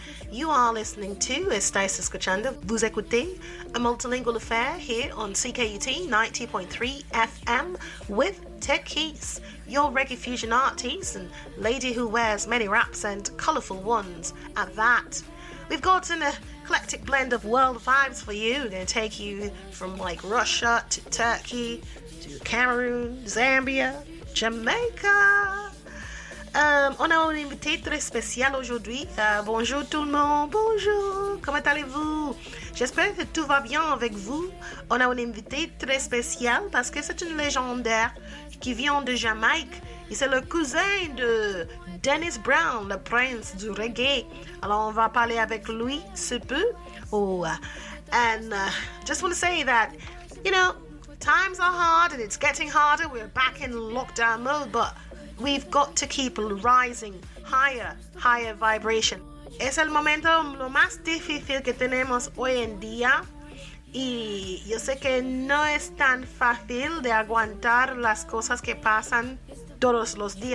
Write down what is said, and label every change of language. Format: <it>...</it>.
<en>You are listening to Estás Escuchando, Vous Écoutez, a multilingual affair here on CKUT 90.3 FM with Techies, your reggae fusion artist and lady who wears many wraps and colourful ones at that. We've got an eclectic blend of world vibes for you. We're going to take you from like Russia to Turkey to Cameroon, Zambia, Jamaica.</en> <fr>On a un invité très spécial aujourd'hui. Bonjour tout le monde. Bonjour. Comment allez-vous? J'espère que tout va bien avec vous. On a un invité très spécial parce que c'est une légendaire qui vient de Jamaïque. Et c'est le cousin de Dennis Brown, le prince du reggae. Alors on va parler avec lui ce peu.</fr> <en>Oh, and just want to say that, you know, times are hard and it's getting harder. We're back in lockdown mode, but we've got to keep rising higher, higher vibration.</en> <es>Es el momento lo más difícil que tenemos hoy en día. Y yo sé que no es tan fácil de aguantar las cosas que pasan todos los días.</es>